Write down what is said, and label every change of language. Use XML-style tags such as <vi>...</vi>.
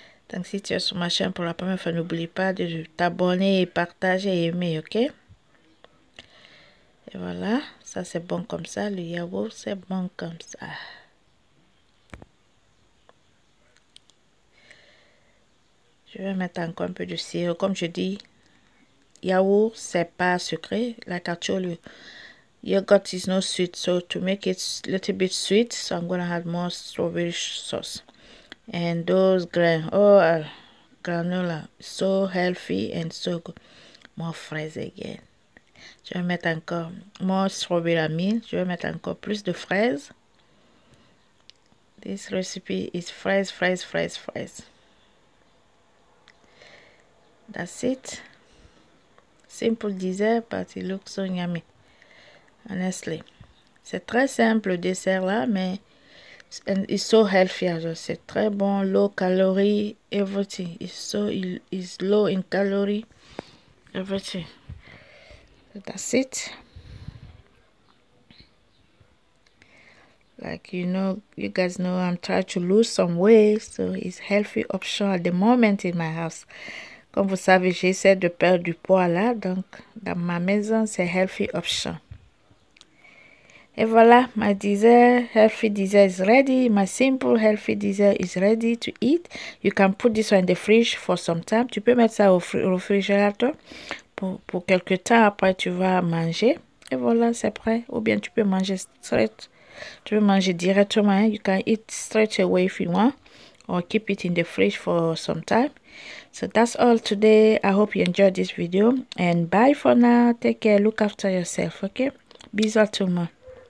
<fr>Donc si tu es sur ma chaîne pour la première fois, n'oublie pas de t'abonner et partager et aimer, ok? Et voilà, ça c'est bon comme ça. Le yaourt, c'est bon comme ça. Je vais mettre encore un peu de sirop. Comme je dis, yaourt, c'est pas sucré.</fr> <en>Like I told you, yogurt is not sweet. So, to make it a little bit sweet, so I'm going to add more strawberry sauce. And those grains. Oh, granola. So healthy and so good.</en> <fr>More fraises again. Je vais mettre encore</fr> <en>more strawberry</en> <fr>amis. Je vais mettre encore plus de fraises.</fr> <en>This recipe is</en> <fr>fraise, fraise, fraise, fraise.</fr> <en>That's it. Simple dessert, but it looks so yummy. Honestly.</en> <fr>C'est très simple le dessert là, mais</fr> <en>it's so healthy.</en> <fr>C'est très bon,</fr> <en>low calorie, everything. It's low in calorie, everything. That's it. Like, you guys know I'm trying to lose some weight, so it's healthy option at the moment in my house.</en> <fr>Comme vous savez, j'essaie de perdre du poids là, donc dans ma maison, c'est</fr> <en>healthy option.</en> <fr>Et voilà,</fr> <en>my dessert, healthy dessert is ready. My simple healthy dessert is ready to eat. You can put this in the fridge for some time.</en> <fr>Tu peux mettre ça au réfrigérateur pour quelques temps. Après, tu vas manger Et voilà, c'est prêt. Ou bien tu peux manger straight. Tu peux manger directement. Hein?</fr> <en>You can eat straight away if you want. Or keep it in the fridge for some time. So that's all today. I hope you enjoyed this video. And bye for now. Take care. Look after yourself. Okay?</en> <fr>Bisous à tout le monde.</fr>